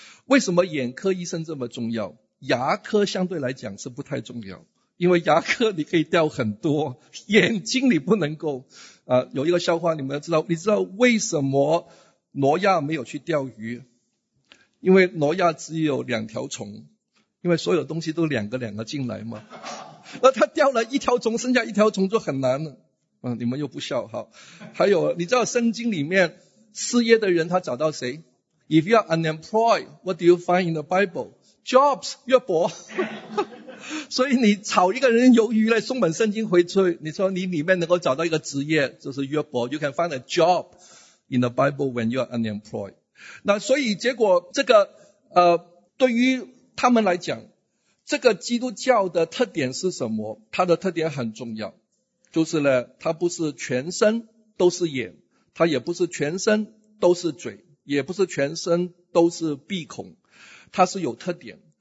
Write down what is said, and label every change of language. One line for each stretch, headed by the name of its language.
Chinese: 为什么眼科医生这么重要？牙科相对来讲是不太重要，因为牙科你可以掉很多，眼睛你不能够。有一个笑话，你们要知道，你知道为什么挪亚没有去钓鱼？因为挪亚只有两条虫，因为所有东西都两个两个进来嘛，那他掉了一条虫，剩下一条虫就很难了。你们又不笑哈。还有，你知道圣经里面失业的人他找到谁 ？
English: If you are unemployed, what do you find in the Bible?
Chinese: Jobs, 约伯。所以你炒一个人鱿鱼来送本圣经回去，你说你里面能够找到一个职业就是约伯。
English: You can find a job in the Bible when you are unemployed.
Chinese: 那所以结果这个对于他们来讲，这个基督教的特点是什么？它的特点很重要，就是呢，它不是全身都是眼，它也不是全身都是嘴，也不是全身都是鼻孔，它是有特点。